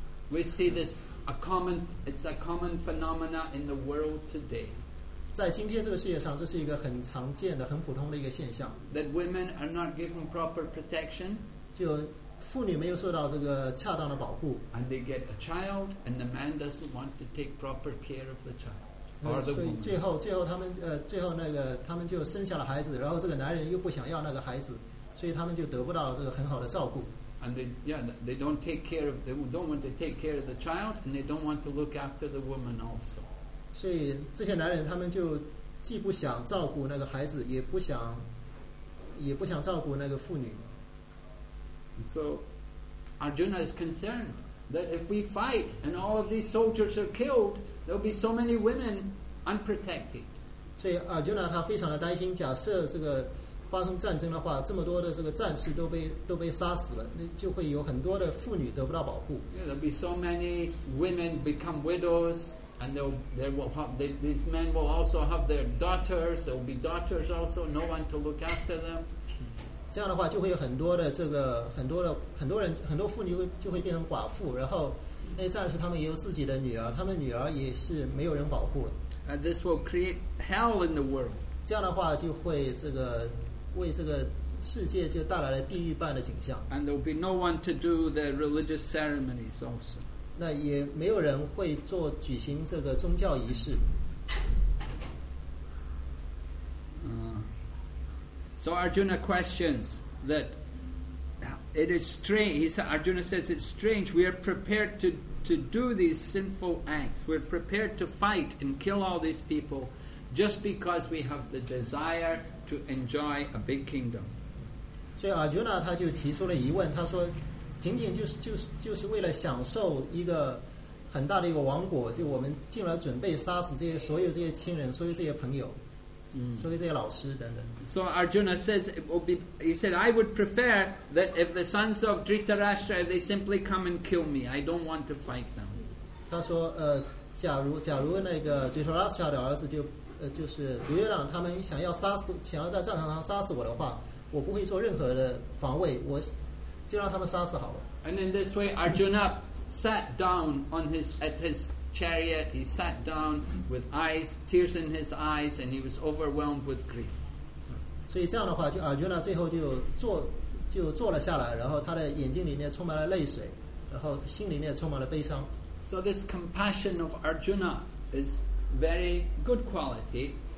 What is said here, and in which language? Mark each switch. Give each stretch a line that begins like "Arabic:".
English: We see this it's a common phenomena in the world today.
Chinese: 在今天这个世界上，这是一个很常见的、很普通的一个现象。
English: That women are not given proper protection.
Chinese: 就妇女没有受到这个恰当的保护。
English: And they get a child, and the man doesn't want to take proper care of the child.
Chinese: 所以最后他们最后那个他们就生下了孩子，然后这个男人又不想要那个孩子，所以他们就得不到这个很好的照顾。
English: And they don't take care of they don't want to take care of the child and they don't want to look after the woman also.
Chinese: 所以这些男人他们就既不想照顾那个孩子，也不想照顾那个妇女。
English: So Arjuna is concerned that if we fight and all of these soldiers are killed. There'll be so many women unprotected.
Chinese: 所以 Arjuna 他非常的担心，假设这个发生战争的话，这么多的这个战士都被杀死了，那就会有很多的妇女得不到保护。
English: Yeah, there'll be so many women become widows, and these men will also have their daughters. There'll be daughters also, no one to look after them.
Chinese: 这样的话就会有很多的这个很多的很多人很多妇女就会变成寡妇，然后那些战士他们也有自己的女儿，他们女儿也是没有人保护。
English: And this will create hell in the world.
Chinese: 这样的话就会这个为这个世界就带来了地狱般的景象。
English: And there will be no one to do the religious ceremonies also.
Chinese: 那也没有人会做举行这个宗教仪式。
English: So Arjuna questions that it is strange. He said, Arjuna says it's strange. We are prepared to do these sinful acts. We're prepared to fight and kill all these people just because we have the desire to enjoy a big kingdom.
Chinese: So Arjuna 他就提出了疑问，他说，仅仅就是为了享受一个很大的一个王国，就我们进而准备杀死这些所有这些亲人，所有这些朋友。
English: So Arjuna says, it will be, he said, I would prefer that if the sons of Dhritarashtra, if they simply come and kill me, I don't want to fight them.
Chinese: 他说，假如那个 Dhritarashtra 的儿子就，就是独眼狼，他们想要杀死，想要在战场上杀死我的话，我不会做任何的防卫，我就让他们杀死好了。
English: And in this way, Arjuna sat down on his chariot, he sat down with eyes, tears in his eyes, and he was overwhelmed with grief.
Chinese: So, 这样的话，就阿尔最后就坐了下来，然后他的眼睛里面充满了泪水，然后心里面充满了悲伤。
English: So, this compassion of Arjuna is very good quality.